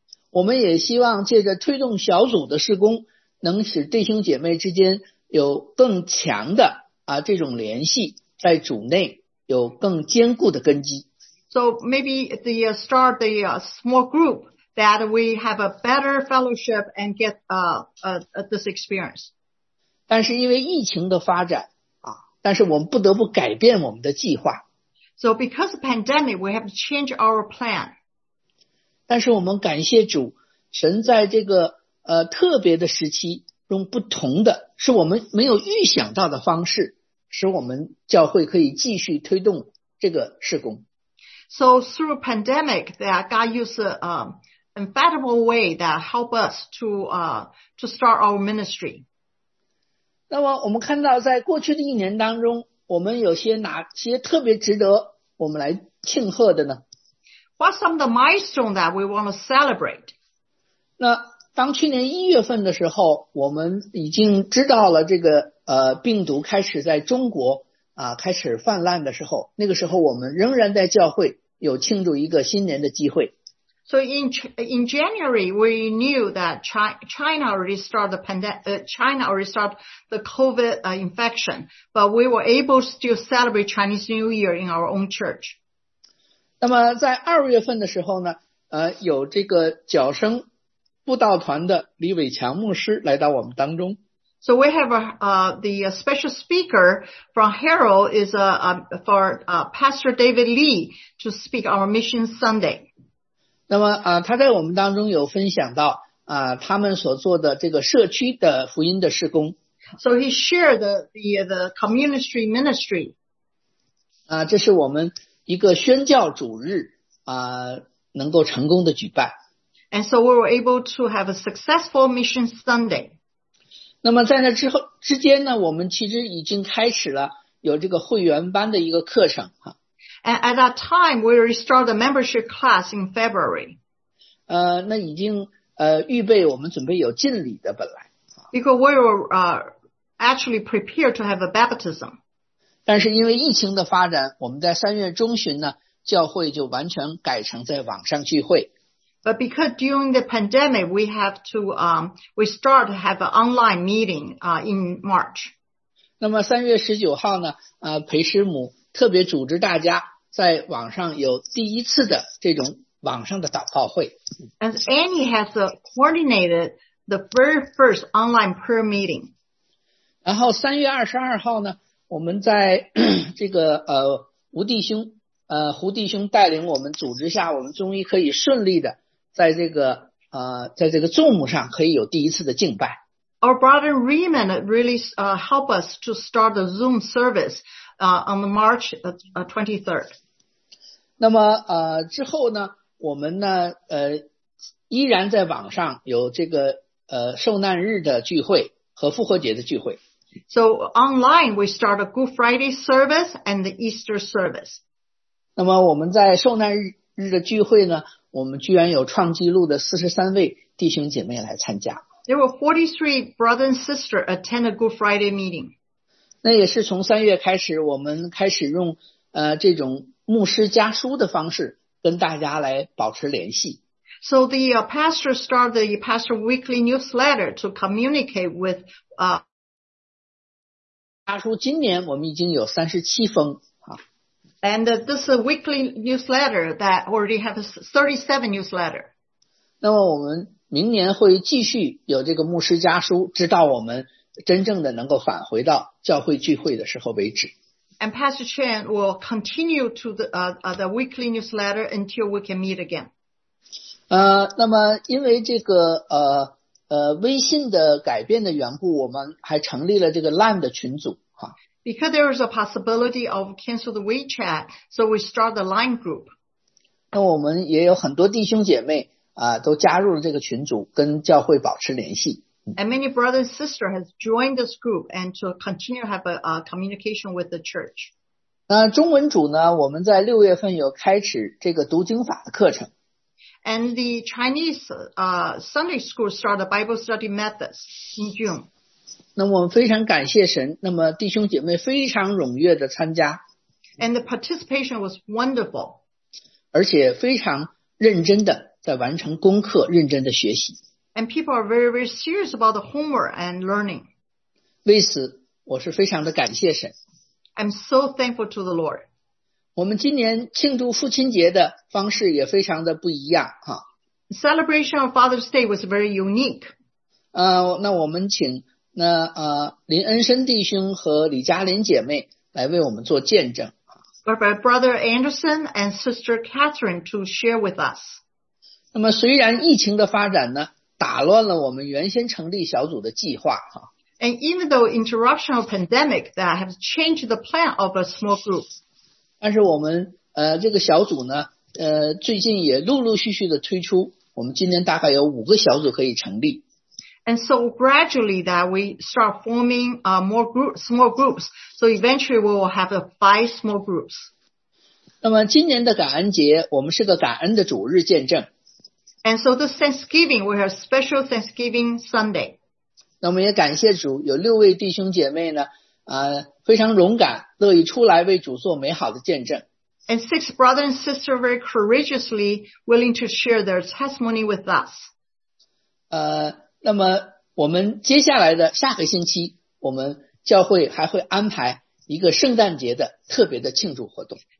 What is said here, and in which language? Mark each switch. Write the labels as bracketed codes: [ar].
[zh] 我们也希望借着推动小组的事工能使弟兄姐妹之间有更强的这种联系，在组内有更坚固的根基。 [en] So maybe the start the small group. That we have a better fellowship and get this experience. [zh] 但是因为疫情的发展但是我们不得不改变我们的计划。 [en] So because of pandemic, we have to change our plan. [zh] 但是我们感谢主，神在这个特别的时期用不同的，是我们没有预想到的方式，使我们教会可以继续推动这个事工。 [en] So through pandemic, that God used infallible way that help us to start our ministry. [zh] 那么我们看到在过去的一年当中，我们有些哪些特别值得我们来庆贺的呢？ [en] What's some of the milestone that we want to celebrate? [zh] 那当去年一月份的时候，我们已经知道了这个病毒开始在中国开始泛滥的时候，那个时候我们仍然在教会有庆祝一个新年的机会。 [en] So in January, we knew that China already started the COVID infection, but we were able to still celebrate Chinese New Year in our own church. [zh] 那么在二月份的时候呢，有这个角声布道团的李伟强牧师来到我们当中。 [en] So we have the special speaker from Harold is Pastor David Lee to speak our Mission Sunday. [zh] 那么他在我们当中有分享到他们所做的这个社区的福音的事工。 [en] So he shared the community ministry. [zh] 这是我们一个宣教主日能够成功的举办。 [en] And so we were able to have a successful Mission Sunday. [zh] 那么在那之后之间呢，我们其实已经开始了有这个会员班的一个课程。 [en] And at that time, we restarted the membership class in February. [zh] 那已经预备我们准备有浸礼的本来。 [en] Because we were actually prepared to have a baptism. [zh] 但是因为疫情的发展，我们在3月中旬呢，教会就完全改成在网上聚会。 [en] But because during the pandemic, we have to, we start to have an online meeting, in March. [zh] 那么3月19号呢，裴师母特别组织大家在网上有第一次的这种网上的祷告会。 [en] And Annie has coordinated the very first online prayer meeting. [zh] 然后3月22号呢，我们在这个胡弟兄带领我们组织下，我们终于可以顺利的在这个在这个Zoom上可以有第一次的敬拜。 [en] Our brother Raymond really help us to start the Zoom service on March 23rd. [zh] 那么之后呢，我们呢依然在网上有这个受难日的聚会和复活节的聚会。 [en] So online we start a Good Friday service and the Easter service. [zh] 那么我们在受难日的聚会呢，我们居然有创纪录的43位弟兄姐妹来参加。 [en] There were 43 brothers and sisters attend a Good Friday meeting. [zh] 那也是从3月开始，我们开始用这种牧师加书的方式跟大家来保持联系。 [en] So the pastor started the pastor weekly newsletter to communicate with [zh] 加书今年我们已经有37封。 [en] And this is a weekly newsletter that already has 37 newsletter. [zh] 那么我们明年会继续有这个牧师家书，直到我们真正的能够返回到教会聚会的时候为止。 [en] And Pastor Chen will continue to the weekly newsletter until we can meet again. [zh] 那么因为这个微信的改变的缘故，我们还成立了这个 LINE 的群组。 [en] Because there is a possibility of cancel the WeChat, so we start the LINE group. [zh] 那我们也有很多弟兄姐妹都加入了这个群组，跟教会保持联系。 [en] And many brothers and sisters have joined this group and to continue to have a communication with the church. [zh] 那中文组呢，我们在6月份有开始这个读经法的课程。 [en] And the Chinese Sunday school started a Bible study method in June. [zh] 那我们非常感谢神，那么弟兄姐妹非常踊跃的参加。 [en] And the participation was wonderful. [zh] 而且非常认真的在完成功课，认真的学习。 [en] And people are very, very serious about the homework and learning. [zh] 为此，我是非常的感谢神。 [en] I'm so thankful to the Lord. [zh] 我们今年庆祝父亲节的方式也非常的不一样。哈。 [en] Celebration of Father's Day was very unique. [zh] 那我们请那林恩生弟兄和李嘉玲姐妹来为我们做见证。 [en] My brother Anderson and sister Catherine to share with us. [zh] 那么虽然疫情的发展呢，打乱了我们原先成立小组的计划。 [en] And even though interruption of pandemic that have changed the plan of a small group. [zh] 但是我们这个小组呢，最近也陆陆续续的推出，我们今年大概有5个小组可以成立。 [en] And so gradually that we start forming more groups, small groups. So eventually we will have 5 small groups. [zh] 那么今年的感恩节，我们是个感恩的主日见证。 [en] And so this Thanksgiving, we have special Thanksgiving Sunday. [zh] 那我们也感谢主，有6位弟兄姐妹呢，非常勇敢，乐意出来为主做美好的见证。 [en] And 6 brothers and sisters very courageously willing to share their testimony with us. [zh] 那么我们接下来的下个星期，我们教会还会安排一个圣诞节的特别的庆祝活动。